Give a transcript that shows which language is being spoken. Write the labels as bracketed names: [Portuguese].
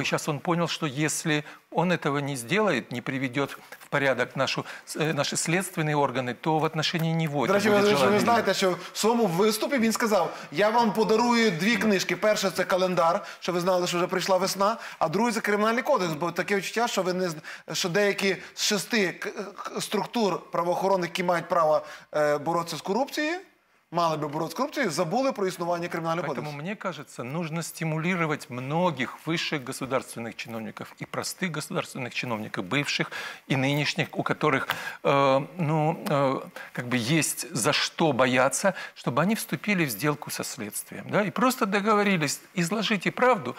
[Russian] И сейчас он понял, что если он этого не сделает, не приведет в порядок наши следственные органы, то в отношении него это будет желание. Вы знаете, что в своем выступе он сказал, я вам [Ukrainian] подарую [Russian] две книжки. Первая – это календарь, что вы знали, что уже пришла весна. А вторая – это криминальный кодекс. [Ukrainian] Бо таке відчуття, що ви не, що деякі з шести структур правоохоронних, які мають право боротися з корупцією, [Russian] мало бы бороться с коррупцией, [Ukrainian] забыли про існування кримінального кодексу. [Russian] Поэтому, мне кажется, нужно стимулировать многих высших государственных чиновников и простых государственных чиновников, бывших и нынешних, у которых как бы есть за что бояться, чтобы они вступили в сделку со следствием. Да? И просто договорились, изложите правду.